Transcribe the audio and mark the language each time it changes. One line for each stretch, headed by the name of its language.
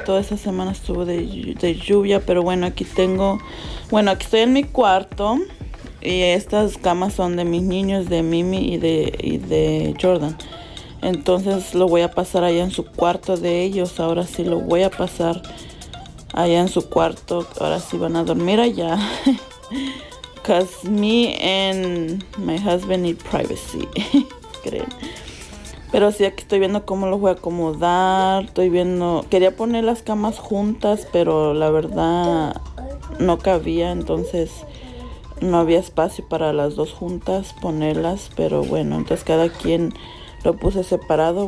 Spanish: Toda esta semana estuvo de lluvia, pero bueno, aquí estoy en mi cuarto. Y estas camas son de mis niños, de Mimi y de Jordan. Entonces lo voy a pasar allá en su cuarto de ellos. Ahora sí lo voy a pasar allá en su cuarto. Ahora sí van a dormir allá.
English: Because me and my husband need privacy.
Spanish: ¿Creen? Pero sí, aquí estoy viendo cómo los voy a acomodar. Estoy viendo. Quería poner las camas juntas, pero la verdad no cabía. Entonces no había espacio para las dos juntas ponerlas. Pero bueno, entonces cada quien lo puse separado.